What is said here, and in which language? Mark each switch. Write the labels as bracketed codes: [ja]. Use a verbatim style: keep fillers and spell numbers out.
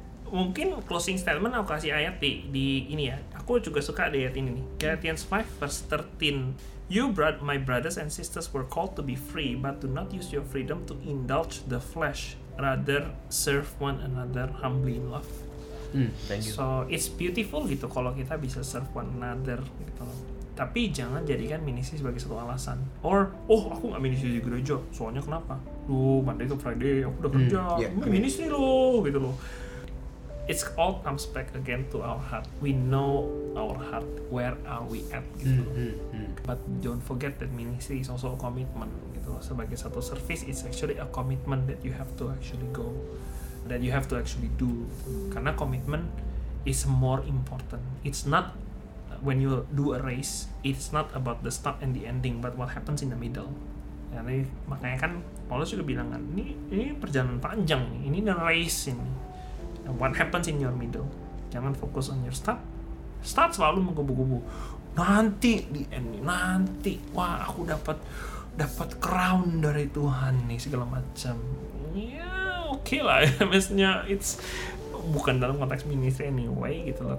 [id] Mungkin [en] closing statement [id] aku kasih ayat di, di ini ya. Aku juga suka ada ayat ini nih. [en] Galatians five verse thirteen. "You brought my brothers and sisters were called to be free, but do not use your freedom to indulge the flesh, rather serve one another humbly in love." Hmm, thank you. So it's beautiful [id] gitu kalau kita bisa [en] serve one another gitu. [id] Tapi jangan jadikan ministry sebagai satu alasan. Or, oh aku nggak ministry di gereja, soalnya kenapa? Lu [en] Monday to Friday [id] aku udah kerja, hmm, yeah, ministry lo gitu loh. [en] It's all comes back again to our heart. We know our heart. Where are we at? [id] Gitu. [en] Mm, mm, mm. But don't forget that ministry is also a commitment. Gitu. [id] Sebagai satu [en] service, it's actually a commitment that you have to actually go, that you have to actually do. Mm. [id] Karena [en] commitment is more important. It's not when you do a race. It's not about the start and the ending, but what happens in the middle. [id] Jadi makanya kan Paulus juga bilang kan, ini ini perjalanan panjang nih. Ini [en] the race [id] ini. [en] And what happens in your middle? [id] Jangan fokus [en] on your start. [id] Start selalu menggebu-gebu. Nanti di end, nanti wah aku dapat dapat crown dari Tuhan nih segala macam. Ya oke okay lah, maksudnya it's bukan dalam konteks ministry anyway gitu loh.